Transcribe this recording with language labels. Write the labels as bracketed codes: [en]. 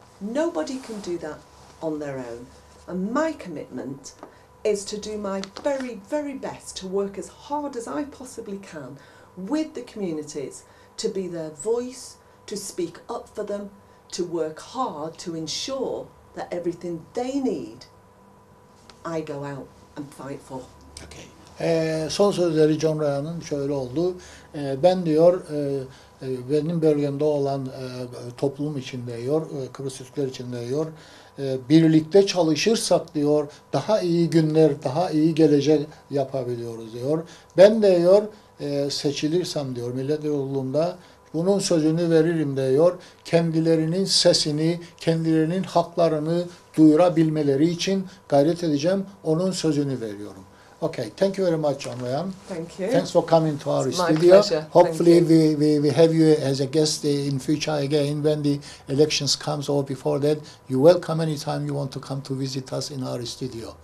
[en] Nobody can do that on their own. And my commitment is to do my very, very best to work as hard as I possibly can with the communities, to be their voice, to speak up for them, to work hard to ensure that everything they need I go out and fight for. [tr] Okay. Son sözleri John Ryan'ın şöyle oldu. Ben diyor, benim bölgemde olan toplum içinde diyor, Kıbrıs Türkler içinde diyor, birlikte çalışırsak diyor, daha iyi günler, daha iyi gelecek yapabiliyoruz diyor. Ben de diyor, seçilirsem diyor, millet yolunda bunun sözünü veririm diyor. Kendilerinin sesini, kendilerinin haklarını duyurabilmeleri için gayret edeceğim. Onun sözünü veriyorum. [en] Okay, thank you very much, Anoyan. Thank you. Thanks for coming to our studio. My pleasure. Hopefully we have you as a guest in future again when the elections comes or before that. You're welcome anytime you want to come to visit us in our studio.